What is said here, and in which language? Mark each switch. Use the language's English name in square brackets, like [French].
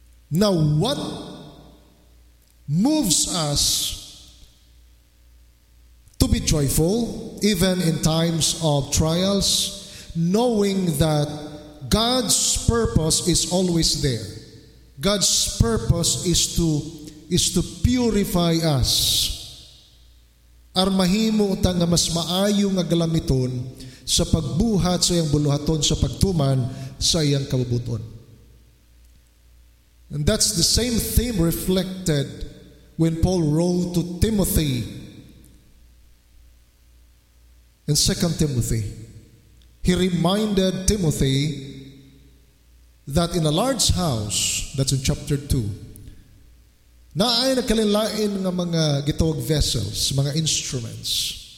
[English] Now, what moves us to be joyful, even in times of trials, knowing that God's purpose is always there? God's purpose is to purify us. [Cebuano] Armahimo ta nga mas maayo nga galamiton sa pagbuhat sa iyang buluhaton, sa pagtuman sa iyang kabubuton. [English] And that's the same theme reflected when Paul wrote to Timothy in 2 Timothy. He reminded Timothy that in a large house, that's in chapter 2, [Cebuano] naay nakalilain ng mga gitawag vessels, mga instruments.